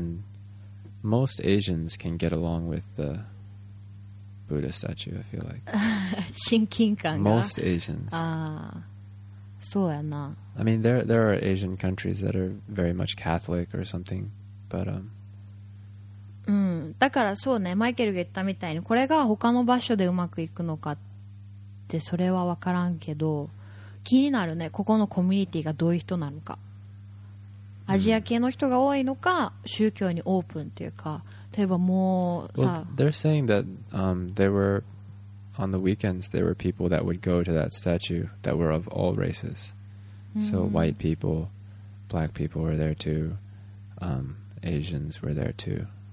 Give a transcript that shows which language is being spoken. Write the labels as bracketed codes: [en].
[en] And most Asians can get along with the Buddha statue, I feel like. [ja] 親近感が? [en] Most Asians. [ja] そうやな。 [en] I mean, there are Asian countries that are very much Catholic or something, but... [ja] だからそうね、マイケルが言ったみたいに、これが他の場所でうまくいくのかってそれは分からんけど、気になるね、ここのコミュニティがどういう人なのか。アジア系の人が多いのか、宗教にオープンっていうか、例えばもうさ。 [en] Well, they're saying that there were on the weekends there were people that would go to that statue that were of all races. So white people, black people were there too, Asians were there too.